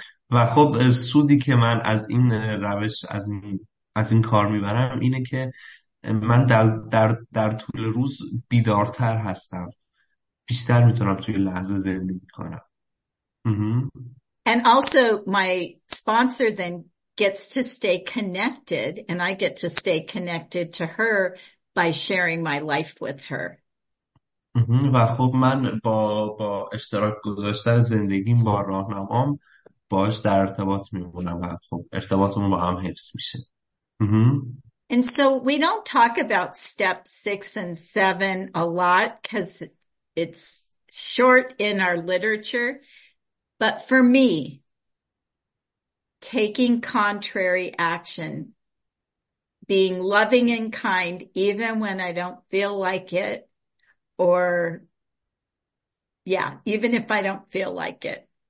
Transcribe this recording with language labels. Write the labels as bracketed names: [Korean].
[Persian] و خب سودی که من از این روش از این کار میبرم اینه که من در طول روز بیدارتر هستم، بیشتر میتونم توی لحظه زندگی کنم. [English] And also my sponsor then gets to stay connected and I get to stay connected to her by sharing my life with her. [Persian] و خب من با اشتراک گذاشتن زندگیم با راهنمام باش در ارتباط میمونم و خب ارتباطمون با هم حفظ میشه. [English] And so we don't talk about step 6 and 7 a lot because it's short in our literature. But for me, taking contrary action, being loving and kind, even when I don't feel like it, or yeah, even if I don't feel like it.